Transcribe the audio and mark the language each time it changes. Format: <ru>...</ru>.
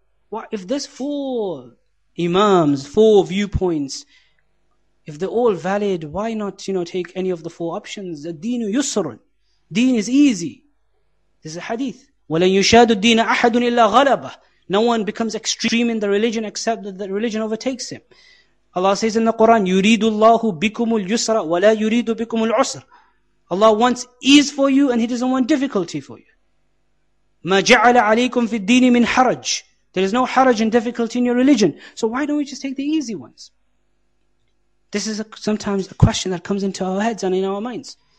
<en>Why, if there's four imams, four viewpoints, if they're all valid, why not, you know, take any of the four options?</en> <ar>Deen yusrun.</ar> <en>Deen is easy. This is a hadith.</en> <ar>وَلَنْ يُشَادُ الدِّينَ أَحَدٌ إِلَّا غَلَبَهُ.</ar> <en>No one becomes extreme in the religion except that the religion overtakes him. Allah says in the Quran,</en> <ar>يُرِيدُ اللَّهُ بِكُمُ الْيُسْرَ وَلَا يُرِيدُ بِكُمُ الْعُسْرَ.</ar> <en>Allah wants ease for you and He doesn't want difficulty for you.</en> <ar>مَا جَعَلَ عَلَيْكُمْ فِي الدِّينِ مِنْ حَرَجٍ.</ar> <en>There is no haraj and difficulty in your religion. So why don't we just take the easy ones? This is sometimes a question that comes into our heads and in our minds.</en>